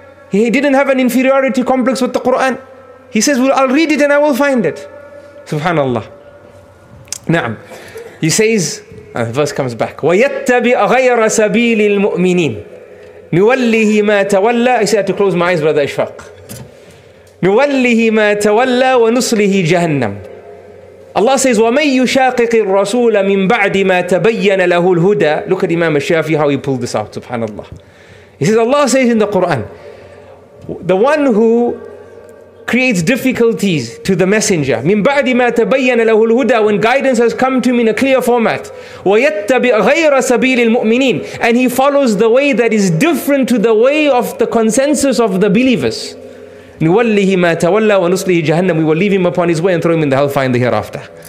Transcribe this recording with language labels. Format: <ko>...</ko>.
<en>He didn't have an inferiority complex with the Quran. He says, well, I'll read it and I will find it. SubhanAllah. Naam. He says, and the verse comes back.</en> <ar>وَيَتَّبِعَ غَيْرَ سَبِيلِ الْمُؤْمِنِينَ نُوَلِّهِ مَا تَوَلَّى.</ar> <en>I said, I have to close my eyes, Brother Ishfaq.</en> <ar>نُوَلِّهِ مَا تَوَلَّى وَنُصْلِهِ جَهَنَّمْ.</ar> <en>Allah says,</en> <ar>وَمَنْ يُشَاقِقِ الرَّسُولَ مِنْ بَعْدِ مَا تَبَيَّنَ لَهُ الْهُدَى.</ar> <en>Look at Imam al-Shafi, how he pulled this out, subhanAllah. He says, Allah says in the Quran, the one who creates difficulties to the messenger,</en> <ar>مِنْ بَعْدِ مَا تَبَيَّنَ لَهُ الْهُدَى,</ar> <en>when guidance has come to him in a clear format,</en> <ar>وَيَتَّبِعْ غَيْرَ سَبِيلِ الْمُؤْمِنِينَ,</ar> <en>and he follows the way that is different to the way of the consensus of the believers,</en> <ar>نُوَلِّهِ مَا تَوَلَّى وَنُصْلِهِ جَهَنَّمْ,</ar> <en>we will leave him upon his way and throw him in the hellfire in the hereafter.</en>